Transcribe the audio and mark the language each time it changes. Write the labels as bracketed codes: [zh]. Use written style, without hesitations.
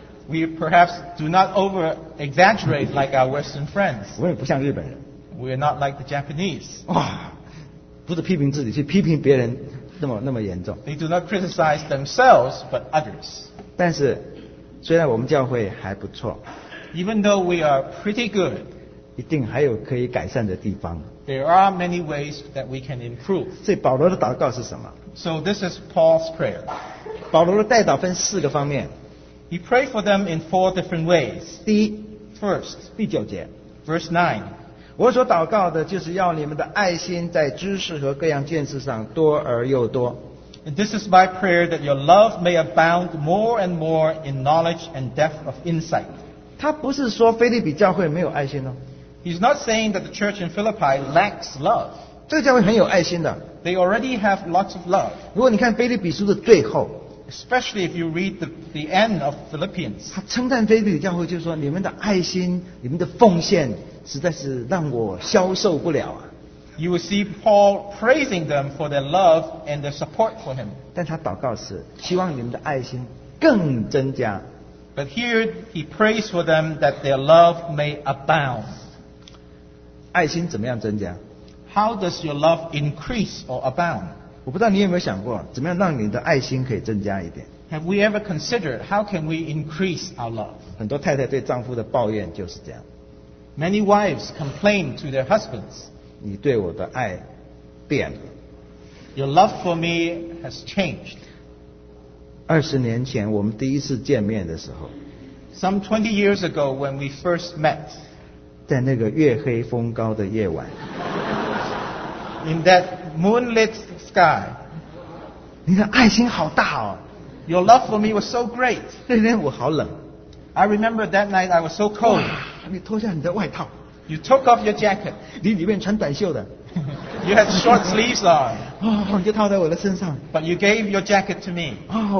[en] We perhaps do not over exaggerate like our Western friends. [zh] 我们也不像日本人。 [en] We are not like the Japanese. [zh] 哇、oh, ，不是批评自己，去批评别人，那么严重。 [en] They do not criticize themselves, but others. [zh] 但是，虽然我们教会还不错 [en] ，Even though we are pretty good. [zh] 一定还有可以改善的地方。 [en] There are many ways that we can improve. [zh] 所以保罗的祷告是什么 [en] ？So this is Paul's prayer. [zh] 保罗的代祷分四个方面。 [en] He prayed for them in four different ways. [zh] 第一 [en] ，First， [zh] 第九节 [en] ，Verse 9。 [zh] 我所祷告的就是要你们的爱心在知识和各样见识上多而又多。 [en] And this is my prayer that your love may abound more and more in knowledge and depth of insight. [zh] 他不是说腓立比教会没有爱心哦。 [en] He's not saying that the church in Philippi lacks love. [zh] 这个教会很有爱心的。 [en] They already have lots of love. [zh] 如果你看腓立比书的最后 [en] ，especially if you read the end of Philippians. [zh] 他称赞腓立比教会，就是说你们的爱心、你们的奉献，实在是让我消受不了啊。 [en] You will see Paul praising them for their love and their support for him. [zh] 但他祷告是希望你们的爱心更增加。 [en] But here he prays for them that their love may abound. [zh] 爱心怎么样增加 [en] ？How does your love increase or abound？ [zh] 我不知道你有没有想过，怎么样让你的爱心可以增加一点 [en] ？Have we ever considered how can we increase our love？ [zh] 很多太太对丈夫的抱怨就是这样。 [en] Many wives complain to their husbands。 [zh] 你对我的爱变了。 [en] Your love for me has changed。 [zh] 二十年前我们第一次见面的时候 [en] ，Some 20 years ago when we first met。 [zh] 在那个月黑风高的夜晚 [en] ，In that moonlit sky， [zh] 你的爱心好大哦 [en] ，Your love for me was so great。 [zh] 那天我好冷 [en] ，I remember that night I was so cold。 [zh] 你脱下你的外套 [en] ，You took off your jacket。 [zh] 你里面穿短袖的 [en] ，You had short sleeves on。 [zh] 你就套在我的身上 [en] ，But you gave your jacket to me。